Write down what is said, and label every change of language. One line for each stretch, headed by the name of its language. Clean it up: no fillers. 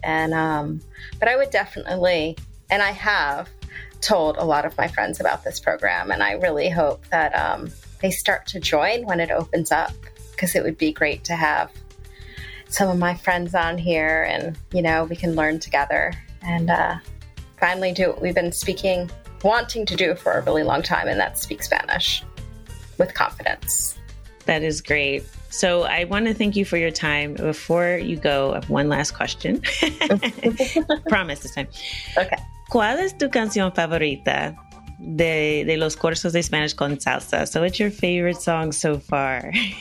English: And but I would definitely, and I have told a lot of my friends about this program, and I really hope that they start to join when it opens up, because it would be great to have some of my friends on here, and, you know, we can learn together and finally do what we've been wanting to do for a really long time, and that's speak Spanish with confidence. That is great. So I want to thank you for your time. Before you go, one last question. Promise this time. Okay.
Spanish: ¿Cuál es tu canción favorita de los cursos de Spanish con salsa?
English: So what's your favorite song so far?